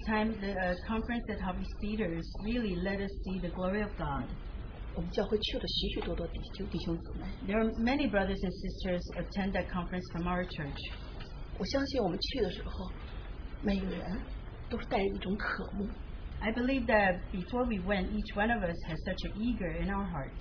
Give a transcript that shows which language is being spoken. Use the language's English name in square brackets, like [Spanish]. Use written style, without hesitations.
[English] time, the conference at Harvey Cedars really let us see the glory of God. [Chinese] 我们教会去了许许多多弟兄姊妹。 [English] There are many brothers and sisters attend that conference from our church. [Chinese] 我相信我们去的时候，每个人都是带着一种渴慕。 [English] I believe that before we went, each one of us has such an eager in our heart.